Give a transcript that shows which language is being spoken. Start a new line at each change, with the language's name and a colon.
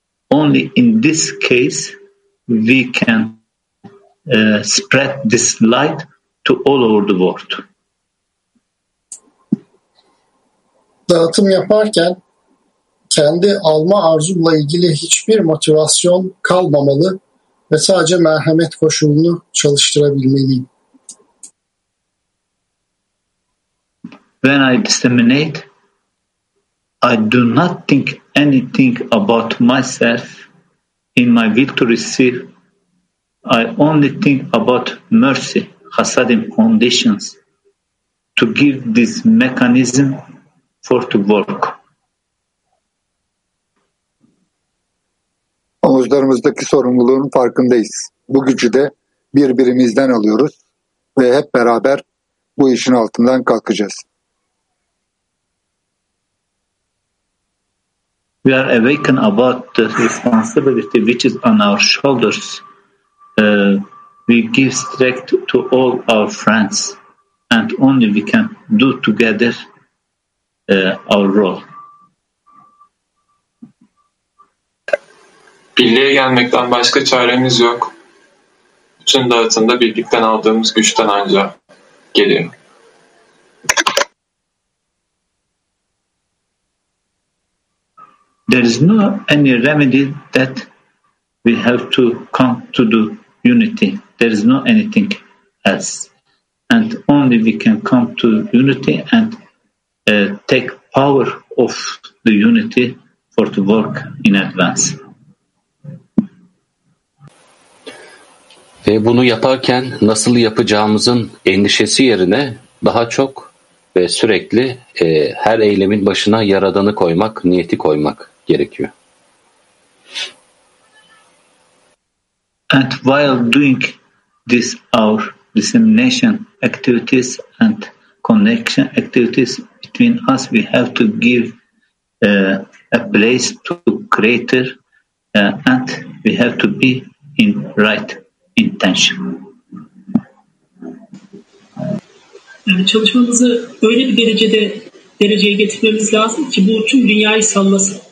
English: Only in this case we can spread this light to all over the world.
Turkish: Dağıtım yaparken kendi alma arzumla ilgili hiçbir motivasyon kalmamalı ve sadece merhamet koşulunu çalıştırabilmeliyim.
English: When I disseminate, I do not think anything about myself in my will to receive. I only think about mercy, chasadim conditions, to give this mechanism for to work.
Turkish: Omuzlarımızdaki sorumluluğun farkındayız. Bu gücü de birbirimizden alıyoruz ve hep beraber bu işin altından kalkacağız.
English: We are awakened about the responsibility which is on our shoulders. We give strength to all our friends, and only we can do together our role.
Turkish: Birliğe gelmekten başka çaremiz yok. Bütün dağıtımda birlikten aldığımız güçten ancak geliyor.
English: There is no any remedy that we have to come to the unity. There is no anything else. And only we can come to unity and take power of the unity for the work in advance.
Turkish: Ve bunu yaparken nasıl yapacağımızın endişesi yerine daha çok ve sürekli her eylemin başına yaradanı koymak, niyeti koymak gerekiyor.
English: And while doing this our dissemination activities and connection activities between us, we have to give a place to Creator and we have to be in right intention.
Turkish: Yani çalışmamızı öyle bir dereceye getirmemiz lazım ki bu tüm dünyayı sallasın.